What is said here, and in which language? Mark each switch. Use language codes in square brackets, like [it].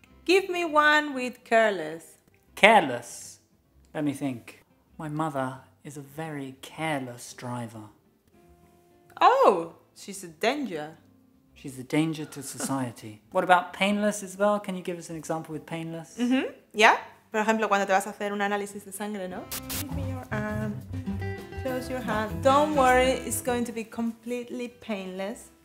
[en] Give me one with careless. Careless. Let me think. My mother is a very careless driver. Oh, she's a danger. She's a danger to society. What about painless as well? Can you give us an example with painless? Mm-hmm. Yeah. [es] Por ejemplo, cuando te vas a hacer un análisis de sangre, ¿no? [en] Give me your arm. Close your hand. Don't worry, it's going to be completely painless.